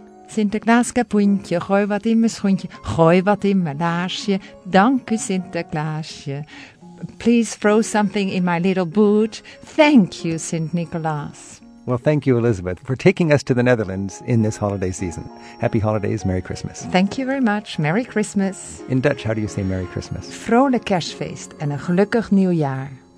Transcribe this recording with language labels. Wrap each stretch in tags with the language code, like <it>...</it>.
<nl>Sinterklaas kapoentje, gooi wat in mijn schoentje, gooi wat in mijn laarsje, dank u Sinterklaasje.</nl> <en>Please throw something in my little boot. Thank you, Sint Nicolaas. Well, thank you, Elizabeth, for taking us to the Netherlands in this holiday season. Happy holidays, Merry Christmas. Thank you very much, Merry Christmas. In Dutch, how do you say Merry Christmas?</en> <nl>Vrolijk kerstfeest en een gelukkig nieuwjaar.</nl>